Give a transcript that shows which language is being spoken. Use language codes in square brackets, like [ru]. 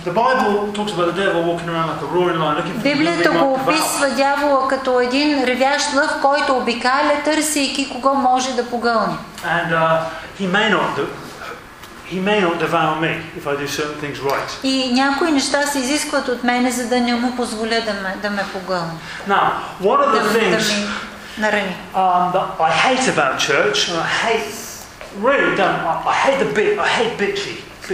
[en] The Bible talks about the devil walking around like a roaring lion, looking for. [bg] Библията го описва дявола като един ревящ лъв, който обикаля, търсейки кого може да погълне. [en] And he may not devour me if I do certain things right. [bg] И някои неща се изискват от мене, за да не му позволя да ме погълне. [en] Now, one of the things that I hate about church, I hate bitchy.